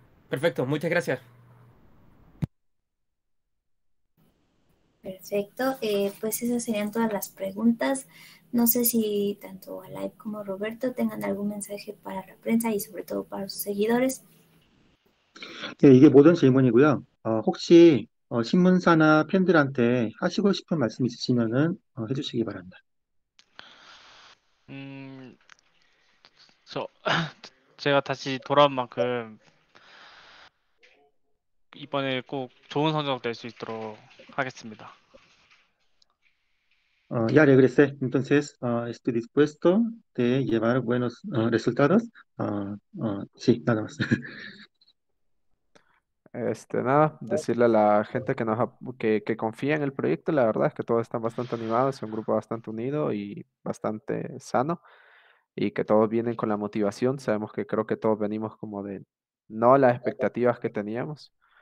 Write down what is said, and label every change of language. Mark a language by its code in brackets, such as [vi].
[es] Perfecto, muchas gracias. Perfecto, pues esas serían todas las preguntas. No sé si tanto Alive como Roberto tengan algún mensaje para la prensa y sobre todo para sus seguidores. [ko] 네, 이게 모든 질문이고요. 혹시 신문사나 팬들한테 하시고 싶은 말씀 있으시면은 해주시기 바랍니다. So, 제가 다시 돌아온 만큼 이번에 꼭 좋은 성적 낼수 있도록 하겠습니다. [es] Ya regresé. Entonces, estoy dispuesto de llevar buenos resultados. Sí, nada más. Nada, decirle a la gente que confía en el proyecto, la verdad es que todos están bastante animados, es un grupo bastante unido y bastante sano, y que todos vienen con la motivación. Sabemos que creo que todos venimos como de no las expectativas que teníamos,